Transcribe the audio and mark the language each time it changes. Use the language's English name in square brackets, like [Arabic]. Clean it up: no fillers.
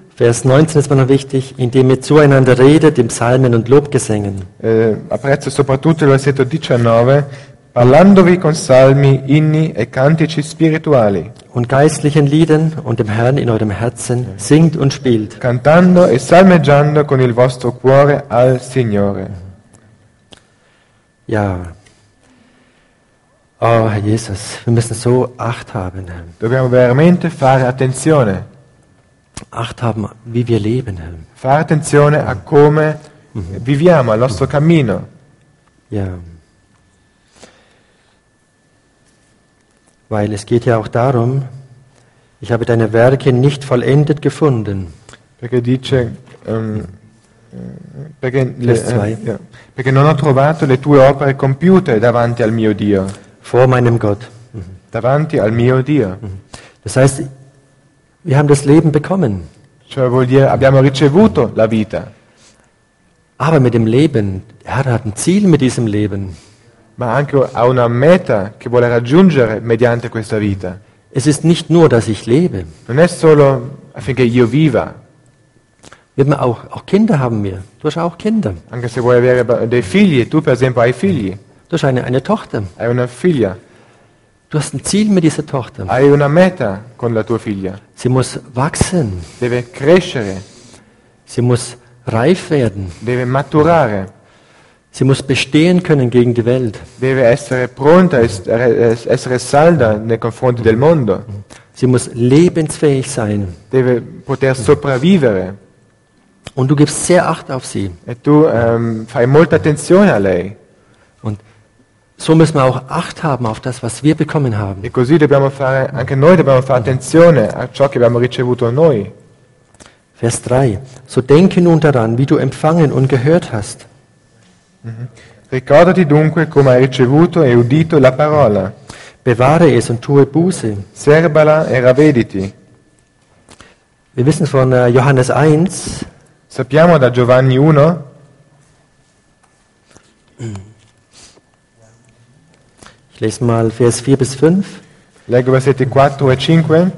[German] Vers 19 ist mir noch wichtig, indem ihr zueinander redet in Psalmen und Lobgesängen. [Italian] Apprezzo soprattutto il versetto 19, parlandovi con salmi, inni e cantici spirituali. [German] Und geistlichen Liedern und dem Herrn in eurem Herzen singt und spielt. [Italian] Cantando e salmeggiando con il vostro cuore al Signore. [German] Ja. Oh, Herr Jesus, wir müssen so Acht haben, Herr. [Italian] Dobbiamo veramente fare attenzione. [German] Acht haben, wie wir leben, Herr. [Italian] Fare attenzione a come viviamo, al nostro cammino. [German] Ja. Weil es geht ja auch darum, ich habe deine Werke nicht vollendet gefunden. [Italian] Perché dice, perché non ho trovato le tue opere compiute davanti al mio Dio. [German] Vor meinem Gott. [Italian] Davanti al mio Dio. [German] Das heißt, wir haben das Leben bekommen. [Italian] Cioè vuol dire abbiamo ricevuto la vita. [German] Aber mit dem Leben, der Herr hat ein Ziel mit diesem Leben. [Italian] Ma anche ha una meta che vuole raggiungere mediante questa vita. [German] Es ist nicht nur, dass ich lebe. [Italian] Non è solo affinché io viva. [German] Wir haben auch Kinder haben wir. Du hast auch Kinder. [Italian] Anche se vuoi avere dei figli, tu per esempio hai figli. [German] Du hast eine Tochter. [Italian] Hai una figlia. [German] Du hast ein Ziel mit dieser Tochter. [Italian] Hai una meta con la tua figlia. [German] Sie muss wachsen. [Italian] Deve crescere. [German] Sie muss reif werden. [Italian] Deve maturare. [German] Sie muss bestehen können gegen die Welt. [Italian] Deve essere pronta, essere salda nei confronti del mondo. [German] Sie muss lebensfähig sein. [Italian] Deve poter sopravvivere. [German] Und du gibst sehr Acht auf sie. [Italian] E tu fai molta attenzione a lei. [German] Und so müssen wir auch Acht haben auf das, was wir bekommen haben. [Italian] E così dobbiamo fare, anche noi dobbiamo fare attenzione a ciò che abbiamo ricevuto noi. [German] Vers 3. So denke nun daran, wie du empfangen und gehört hast. [Italian] Ricordati dunque come hai ricevuto e udito la parola. [German] Bewahre es und tue Buße. [Italian] Serbala e ravvediti. [German] Wir wissen von Johannes 1. [Italian] Sappiamo da Giovanni 1. [German] Ich lese mal Vers 4 bis 5. [Italian] Leggo versetti 4 e 5.